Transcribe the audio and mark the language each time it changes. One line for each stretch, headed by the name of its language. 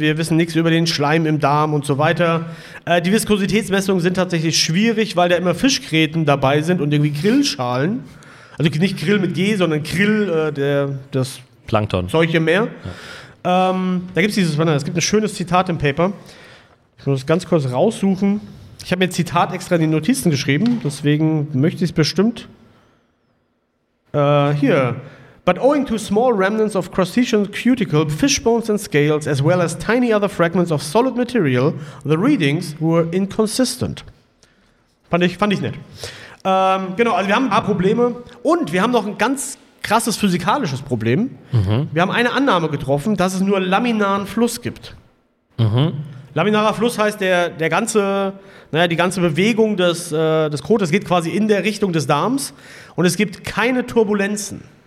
German: Wir wissen nichts über den Schleim im Darm und so weiter. Die Viskositätsmessungen sind tatsächlich schwierig, weil da immer Fischgräten dabei sind und irgendwie Grillschalen. Also nicht Grill mit G, sondern Grill, das Plankton. Solche mehr. Ja. Da gibt es dieses, es gibt ein schönes Zitat im Paper. Ich muss es ganz kurz raussuchen. Ich habe mir ein Zitat extra in die Notizen geschrieben. Deswegen möchte ich es bestimmt... hier.
English: But owing to small remnants of crustacean cuticle, fish bones and scales, as well as tiny other fragments of solid material, the readings were inconsistent.
German: Fand ich nett. Genau, also wir haben ein paar Probleme und wir haben noch ein ganz krasses physikalisches Problem. Mhm. Wir haben eine Annahme getroffen, dass es nur laminaren Fluss gibt. Mhm. Laminarer Fluss heißt, der ganze, naja, die ganze Bewegung des Kotes geht quasi in der Richtung des Darms und es gibt keine Turbulenzen.